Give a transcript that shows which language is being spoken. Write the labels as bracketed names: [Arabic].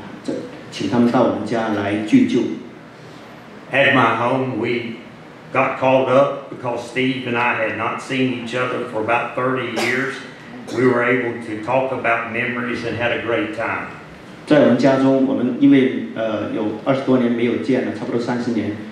[Chinese] 我们在外面吃了午饭，然后呢，我们请他们到我们家来聚旧。 [English] At my home, we got called up because Steve and I had not seen each other for about 30 years. We were able to talk about memories and had a great time. [Chinese] 在我们家中，我们因为有20多年没有见了，差不多30年。